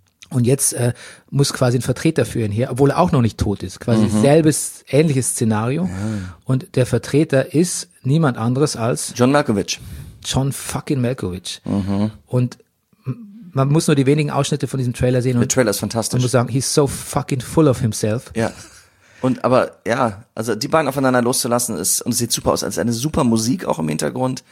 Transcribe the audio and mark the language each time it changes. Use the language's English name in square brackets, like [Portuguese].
[German] Und jetzt muss quasi ein Vertreter für ihn her, obwohl er auch noch nicht tot ist. Quasi selbes, ähnliches Szenario. Ja. Und der Vertreter ist niemand anderes als John Malkovich. John fucking Malkovich. Und man muss nur die wenigen Ausschnitte von diesem Trailer sehen. Der Trailer ist fantastisch. Und muss sagen, [English] he's so fucking full of himself. [German] Ja. Und aber, ja, also die beiden aufeinander loszulassen ist, und es sieht super aus, es ist eine super Musik auch im Hintergrund.